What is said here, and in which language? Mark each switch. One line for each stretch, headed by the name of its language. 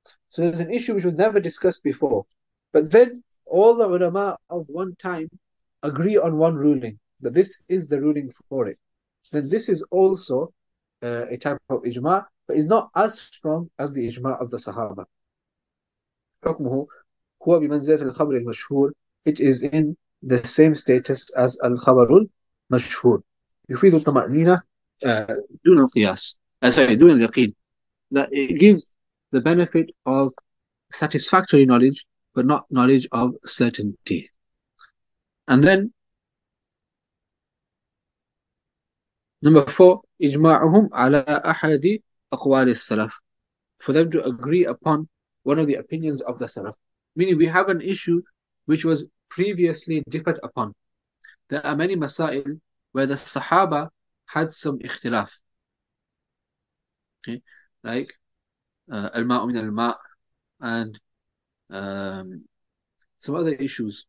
English: So there's an issue which was never discussed before. But then all the ulama of one time agree on one ruling, that this is the ruling for it. then this is also a type of ijma, but it's not as strong as the ijma of the Sahaba.
Arabic: حكمه هو بمنزلة الخبر المشهور.
English: It is in the same status as الخبر المشهور.
Arabic: يفيد الطمأنينة دون القياس.
English: Sorry,
Arabic: دون اليقين.
English: That it gives the benefit of satisfactory knowledge, but not knowledge of certainty. And then, number four,
Arabic: إجماعهم على أحد أقوال السلف.
English: For them to agree upon one of the opinions of the Salaf. Meaning we have an issue which was previously differed upon. There are many masail where the Sahaba had some ikhtilaf. Okay. Like al-ma'u min al-ma' and some other issues.